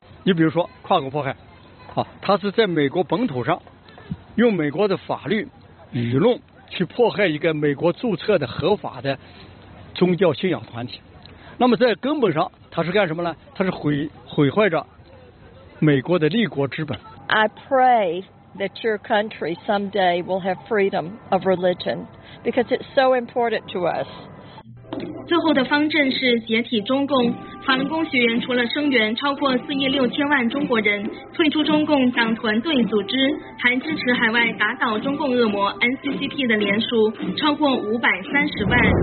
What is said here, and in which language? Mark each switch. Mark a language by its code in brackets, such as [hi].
[zh] 你比如说跨国迫害，它是在美国本土上用美国的法律舆论去迫害一个美国注册的合法的宗教信仰团体，那么在根本上它是干什么呢？它是毁坏着美国的立国之本。 [en] I pray that your country someday will have freedom of religion because it's so important to us。 [zh] 最后的方阵是解体中共。法轮功学员除了声援超过4亿6千万中国人退出中共党团队组织，还支持海外打倒中共恶魔 NCCP 的联署超过530万。